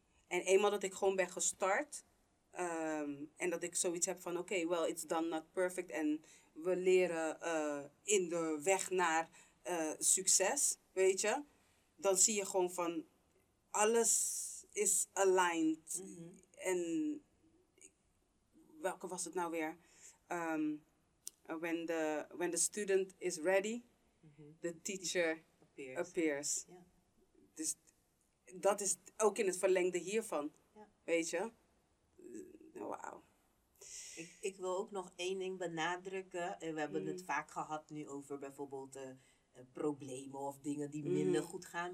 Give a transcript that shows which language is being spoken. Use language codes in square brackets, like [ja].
[nl] En eenmaal dat ik gewoon ben gestart en dat ik zoiets heb van, oké, [en] well, it's done not perfect. [nl] En we leren in de weg naar succes, weet je. Dan zie je gewoon van, alles is aligned. Mm-hmm. En welke was het nou weer? [en] When the student is ready, the teacher appears. [nl] Dus... Dat is ook in het verlengde hiervan. Ja. Weet je? Wauw. Ik wil ook nog één ding benadrukken. We hebben het vaak gehad nu over bijvoorbeeld problemen of dingen die minder goed gaan.